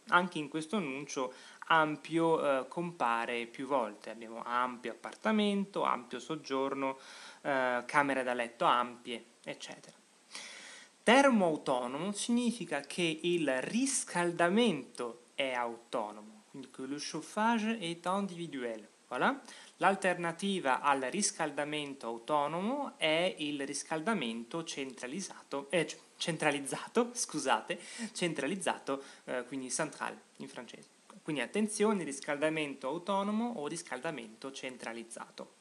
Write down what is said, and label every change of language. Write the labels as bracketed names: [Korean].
[Italian] Anche in questo annuncio ampio compare più volte. Abbiamo ampio appartamento, ampio soggiorno, camere da letto ampie, eccetera. Termoautonomo significa che il riscaldamento è autonomo. [French] Que le chauffage est individuel. Voilà. [Italian] L'alternativa al riscaldamento autonomo è il riscaldamento centralizzato, quindi central in francese. Quindi attenzione, riscaldamento autonomo o riscaldamento centralizzato.